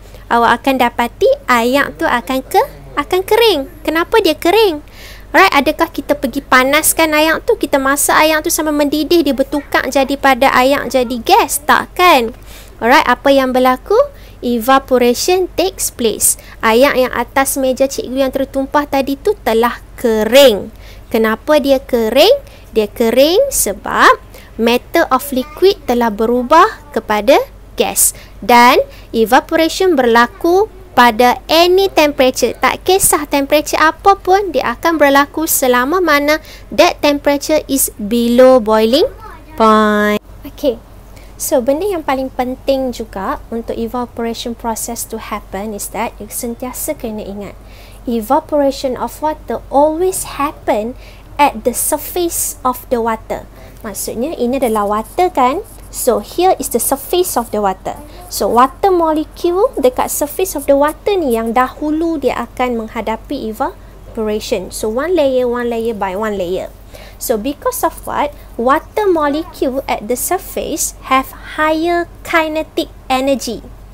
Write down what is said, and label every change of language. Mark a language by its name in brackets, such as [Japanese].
[Malay] Awak akan dapati air tu akan kering. Kenapa dia kering? Alright, adakah kita pergi panaskan air tu? Kita masak air tu sampai mendidih, dia bertukar jadi pada air jadi gas? Tak kan? Alright, apa yang berlaku? [English] Evaporation takes place. [Malay] Air yang atas meja cikgu yang tertumpah tadi tu telah kering. Kenapa dia kering? Dia kering sebab [English] matter of liquid [Malay] telah berubah kepada gas. Dan evaporation berlaku pada [English] any temperature. [Malay] Tak kisah temperature apa pun, dia akan berlaku selama mana [English] that temperature is below boiling point. [Malay] Okay. [English] So, [Malay] benda yang paling penting juga untuk [English] evaporation process to happen is that you [Malay] sentiasa kena ingat [English] evaporation of water always happen at the surface of the water. [Malay] Maksudnya, ini adalah water kan? [English] So, here is the surface of the water. So, water molecule [Malay] dekat [English] surface of the water [Malay] ni yang dahulu dia akan menghadapi [English] evaporation. So, one layer by one layer. So, because of what? Water molecule at the surface have higher kinetic energy.